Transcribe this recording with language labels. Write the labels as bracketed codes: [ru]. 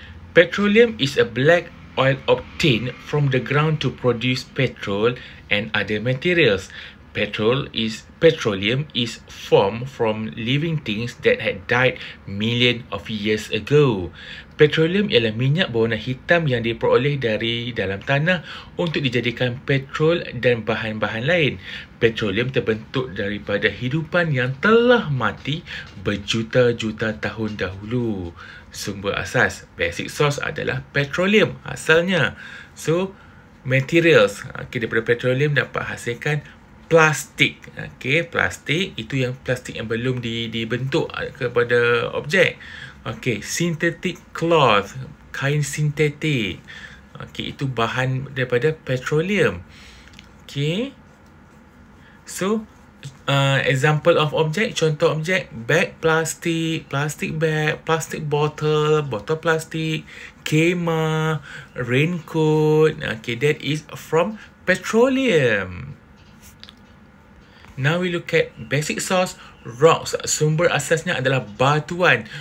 [en] Petroleum is a black oil obtained from the ground to produce petrol and other materials. Petroleum is formed from living things that had died millions of years ago. [ms] Petroleum ialah minyak berwarna hitam yang diperoleh dari dalam tanah untuk dijadikan petrol dan bahan-bahan lain. Petroleum terbentuk daripada hidupan yang telah mati berjuta-juta tahun dahulu. Sumber asas, basic source adalah petroleum asalnya. So, materials, okay, daripada petroleum dapat hasilkan plastik. Okay, plastik itu yang plastik yang belum dibentuk kepada objek. [en] Okay, synthetic cloth, [ms] kain sintetik. [en] Okay, [ms] itu bahan daripada petroleum. [en] Okay, so example of object, [ms] contoh objek, [en] bag plastik, plastic bag, plastic bottle, [ms] botol plastik, kemah, [en] raincoat. Okay, that is from petroleum. Now we look at basic source, rocks. [ms] Sumber asasnya adalah batuan.